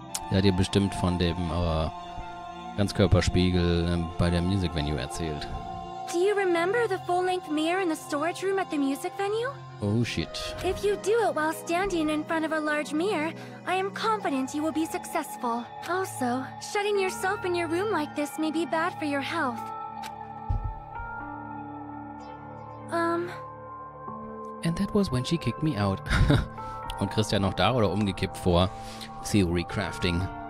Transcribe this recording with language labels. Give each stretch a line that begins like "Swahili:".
German: Ja, dir bestimmt von dem Ganzkörperspiegel bei der Music Venue erzählt.
English: Do you remember the full-length mirror in the storage room at the music venue? Oh shit. If you do it while standing in front of a large mirror, I am confident you will be successful. Also, shutting yourself in your room like this may be bad for your health. And that was when she kicked me out.
German: Und Christian noch da oder umgekippt vor Theory Crafting.